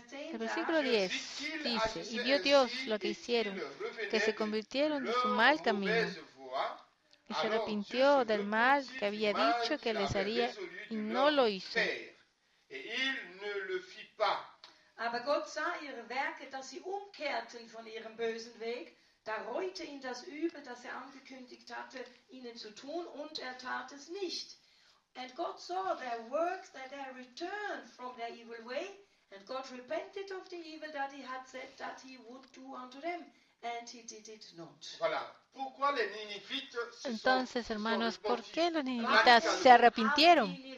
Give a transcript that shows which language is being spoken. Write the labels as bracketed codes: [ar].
[es] El versículo 10 dice: y vio Dios lo que hicieron, que se convirtieron de su mal camino y se arrepintió del mal que había dicho que les haría y no lo hizo. [fr] Et il ne le fit pas. [de] Aber Gott sah ihre Werke, dass sie umkehrten von ihrem bösen Weg. Da reute ihn das Übel, das er angekündigt hatte, ihnen zu tun, und er tat es nicht. [en] And God saw their works, that they returned from their evil way, and God repented of the evil that he had said that he would do unto them. And he did it not. [es] Entonces, hermanos, ¿por qué los ninivitas se arrepintieron?